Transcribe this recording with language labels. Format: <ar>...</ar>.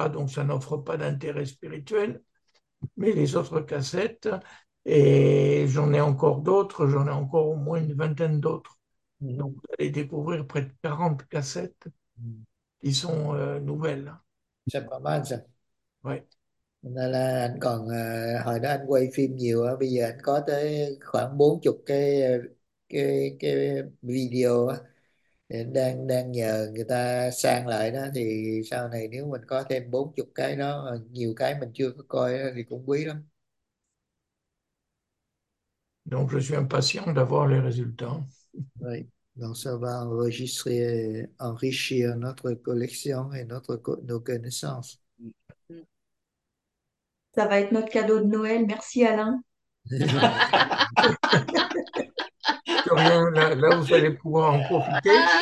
<fr>Donc, ça n'offre pas d'intérêt spirituel. Mais les autres cassettes, et j'en ai encore d'autres, j'en ai encore au moins une vingtaine d'autres. Donc, vous allez découvrir près de 40 cassettes qui sont nouvelles. C'est pas mal ça. Oui.</fr> <vi>Nên là anh còn hồi đó anh quay phim nhiều á, bây giờ anh có tới khoảng 40 cái video á, anh đang đang nhờ người ta sang lại đó, thì sau này nếu mình có thêm 40 cái đó, nhiều cái mình chưa có coi đó, thì cũng quý lắm.</vi> <fr>Donc, je suis impatient d'avoir les résultats. Oui, donc ça va enregistrer, enrichir notre collection et nos connaissances. Ça va être notre cadeau de Noël. Merci Alain. Rien, là, vous allez pouvoir en profiter.</fr>